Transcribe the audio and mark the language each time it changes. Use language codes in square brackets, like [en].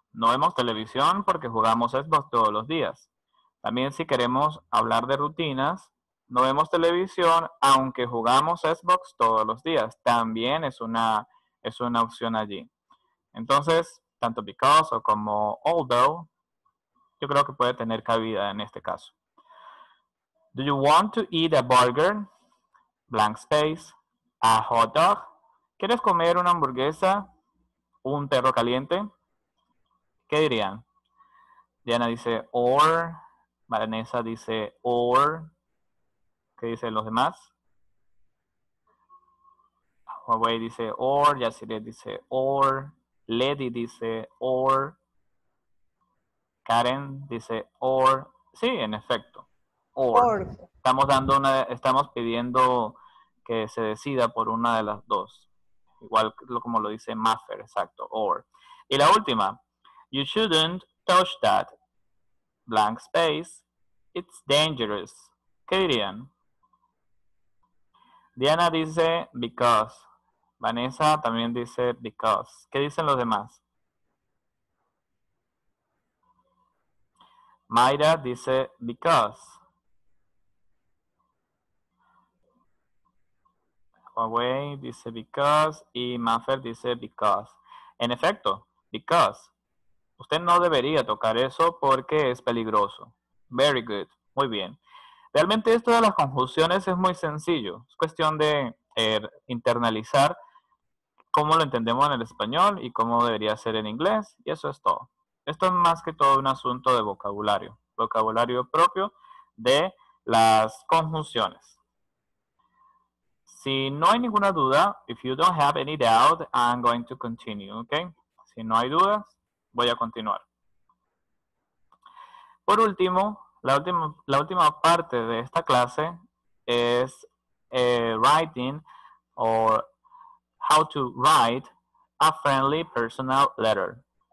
[es] No vemos televisión porque jugamos Xbox todos los días. También si queremos hablar de rutinas. No vemos televisión, aunque jugamos Xbox todos los días. También es una opción allí. Entonces, tanto because o como although, yo creo que puede tener cabida en este caso. [en] Do you want to eat a burger? Blank space. A hot dog. [es] ¿Quieres comer una hamburguesa? ¿Un perro caliente? ¿Qué dirían? Diana dice or. Maranesa dice or. ¿Qué dicen los demás? Huawei dice or, Yacire dice or, Lady dice or, Karen dice or. Sí, en efecto. Or. Estamos pidiendo que se decida por una de las dos. Igual como lo dice Maffer, exacto, or. Y la última, [en] you shouldn't touch that blank space, it's dangerous. [es] ¿Qué dirían? Diana dice because. Vanessa también dice because. ¿Qué dicen los demás? Mayra dice because. Huawei dice because y Maffer dice because. En efecto, because. Usted no debería tocar eso porque es peligroso. [en] Very good. [es] Muy bien. Realmente esto de las conjunciones es muy sencillo. Es cuestión de internalizar cómo lo entendemos en el español y cómo debería ser en inglés. Y eso es todo. Esto es más que todo un asunto de vocabulario. Vocabulario propio de las conjunciones. Si no hay ninguna duda, [en] if you don't have any doubt, I'm going to continue, okay? [es] Si no hay dudas, voy a continuar. Por último, la última parte de esta clase es [en] writing or how to write a friendly personal letter.